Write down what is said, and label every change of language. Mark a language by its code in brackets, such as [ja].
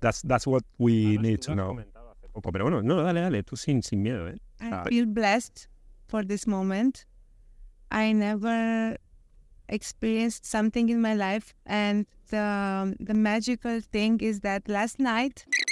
[en] That's what we need to know. [es] Poco, pero bueno, no, dale, tú sin miedo, ¿eh? [en] I feel blessed for this moment. I never experienced something in my life and the magical thing is that last night...